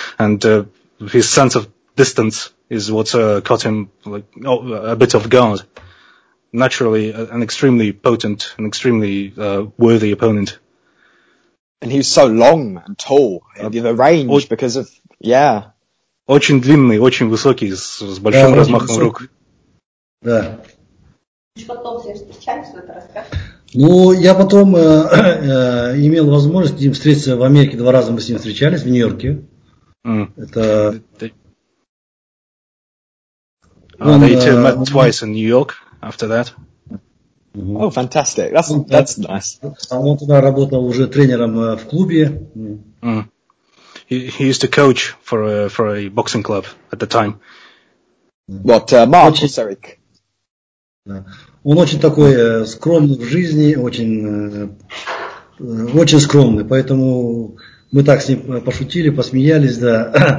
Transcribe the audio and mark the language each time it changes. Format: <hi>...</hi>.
<en>And his sense of distance is what caught him a bit off guard. Naturally, an extremely potent and extremely worthy opponent. And he was so long and tall, and the range because of, yeah.</en> <ru>Очень длинный, очень высокий, с большим размахом рук. Да. Потом все встречались, это расскажешь? Ну, я потом имел возможность с ним встретиться в Америке, два раза мы с ним встречались в Нью-Йорке. Это...</ru> <en>They met twice in New York after that. Oh, fantastic. That's nice.</en> <ru>Он тогда работал уже тренером в клубе.</ru> <en>He used to coach for a boxing club at the time. What, Mark or Serik?</en> <ru>Он очень такой скромный в жизни, очень скромный, поэтому мы так с ним пошутили, посмеялись, да.</ru>